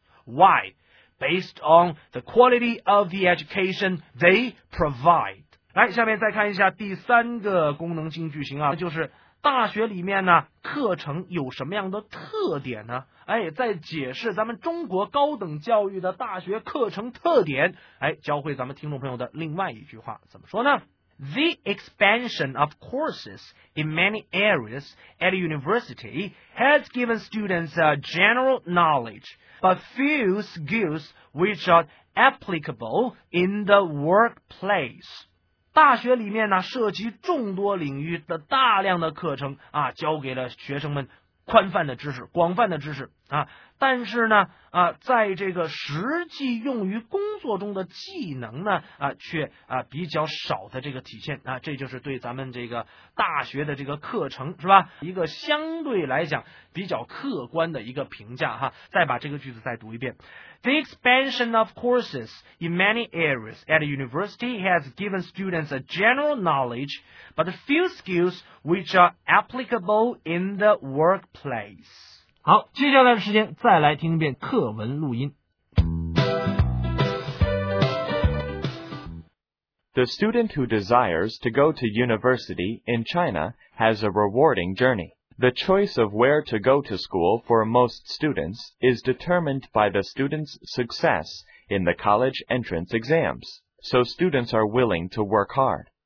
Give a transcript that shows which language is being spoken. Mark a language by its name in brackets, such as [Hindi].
[English] Why? Based on the quality of the education they provide. [Chinese] 来，下面再看一下第三个功能性句型啊，就是大学里面呢课程有什么样的特点呢？哎，在解释咱们中国高等教育的大学课程特点，哎，教会咱们听众朋友的另外一句话怎么说呢？ [English] The expansion of courses in many areas at university has given students a general knowledge, but few skills which are applicable in the workplace. [Chinese] 大学里面呢涉及众多领域的大量的课程啊，教给了学生们宽泛的知识，广泛的知识啊，但是呢啊，在这个实际用于工作中的技能呢啊，却啊比较少的这个体现啊，这就是对咱们这个大学的这个课程是吧一个相对来讲比较客观的一个评价哈。再把这个句子再读一遍。 [English] The expansion of courses in many areas at a university has given students a general knowledge, but a few skills which are applicable in the workplace. [Chinese] 好，接下来的时间再来听一遍课文录音。 [English] The student who desires to go to university in China has a rewarding journey. The choice of where to go to school for most students is determined by the student's success in the college entrance exams, so students are willing to work hard.